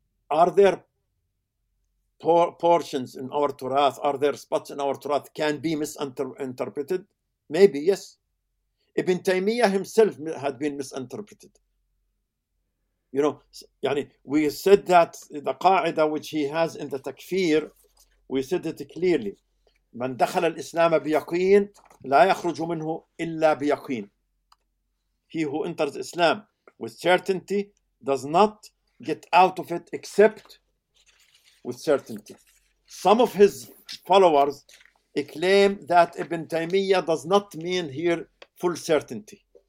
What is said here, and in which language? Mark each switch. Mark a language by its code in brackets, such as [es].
[en] Are there portions in our Torah, are there spots in our Torah can be misinterpreted? Maybe, yes. Ibn Taymiyyah himself had been misinterpreted. You know, yani we said that the qa'ida which he has in the takfir, we said it clearly. [ar] من دخل الإسلام بيقين لا يخرج منه إلا بيقين. [en] He who enters Islam with certainty does not get out of it except with certainty. Some of his followers claim that Ibn Taymiyyah does not mean here full certainty.